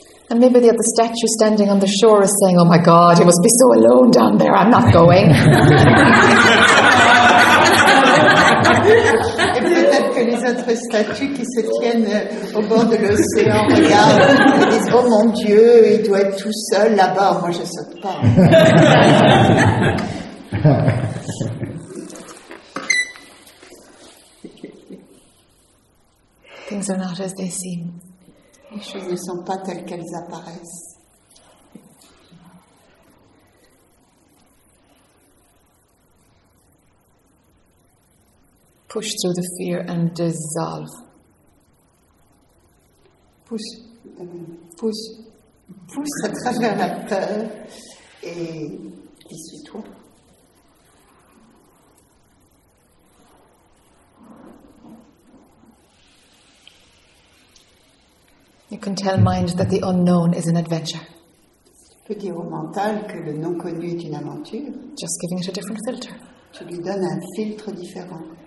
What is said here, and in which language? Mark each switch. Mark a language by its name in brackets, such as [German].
[English] And maybe the other statue standing on the shore is saying, oh my God, you must be so alone down there, I'm not going. [French] Et peut-être que les autres statues qui se tiennent au bord de l'océan regardent et disent, oh mon Dieu, il doit être tout seul là-bas, moi je saute pas. [English] Things are not as they seem. [French] Les choses ne sont pas telles qu'elles apparaissent. [English] Push through the fear and dissolve. [French] Pousse à travers la peur et dissous-toi. [English] You can tell mind that the unknown is an adventure. [French] Tu peux dire au mental que le non connu est une aventure. [English] Just giving it a different filter. [French] Tu lui donnes un filtre différent.